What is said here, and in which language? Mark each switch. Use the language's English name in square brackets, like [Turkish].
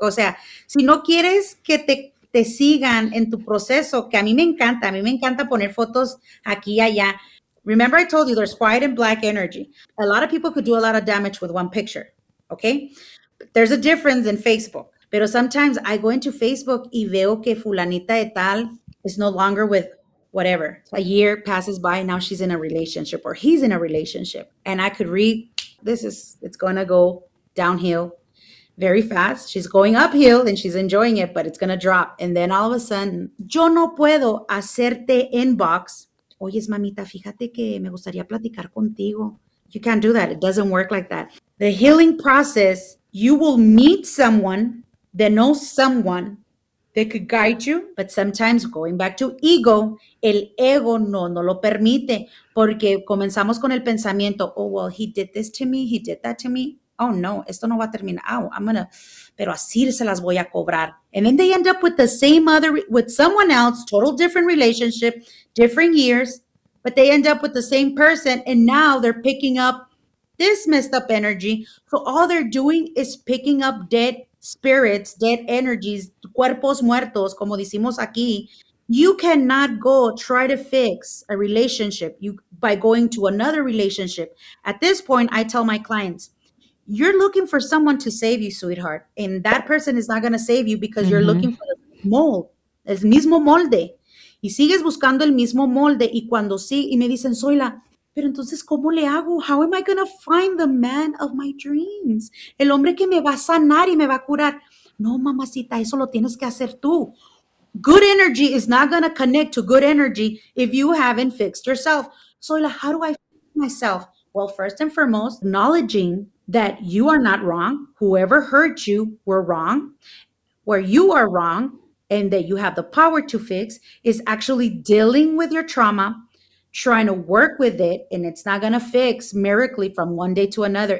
[Spanish] O sea, si no quieres que te sigan en tu proceso, que a mí me encanta poner fotos aquí, allá. [English] Remember I told you there's white and black energy. A lot of people could do a lot of damage with one picture, okay? But there's a difference in Facebook. [Spanish] Pero [English] sometimes I go into Facebook [Spanish] y veo que fulanita de tal [English] is no longer with whatever. A year passes by, now she's in a relationship or he's in a relationship. And I could read, it's going to go downhill very fast. She's going uphill and she's enjoying it, but it's going to drop. And then all of a sudden, [Spanish] yo no puedo hacerte inbox. Oye, mamita, fíjate que me gustaría platicar contigo. [English] You can't do that. It doesn't work like that. The healing process, you will meet someone that knows someone that could guide you. But sometimes going back to ego, [Spanish] el ego no lo permite. Porque comenzamos con el pensamiento, [English] oh, well, he did this to me, he did that to me. [Spanish] Oh, no, esto no va a terminar. [English] Oh, I'm going to, [Spanish] pero así se las voy a cobrar. [English] And then they end up with the same other, with someone else, total different relationship, different years. But they end up with the same person. And now they're picking up this messed up energy. So all they're doing is picking up dead spirits, dead energies, [Spanish] cuerpos muertos, como decimos aquí. [English] You cannot go try to fix a relationship by going to another relationship. At this point, I tell my clients, you're looking for someone to save you, sweetheart. And that person is not going to save you because you're looking for the mold, [Spanish] el mismo molde. Y sigues buscando el mismo molde. Y cuando sí, y me dicen, Zoyla, pero entonces, ¿cómo le hago? [English] How am I going to find the man of my dreams? [Spanish] El hombre que me va a sanar y me va a curar. No, mamacita, eso lo tienes que hacer tú. [English] Good energy is not going to connect to good energy if you haven't fixed yourself. Zoyla, how do I fix myself? Well, first and foremost, acknowledging that you are not wrong. Whoever hurt you were wrong. Where you are wrong and that you have the power to fix is actually dealing with your trauma, trying to work with it, and it's not going to fix miraculously from one day to another.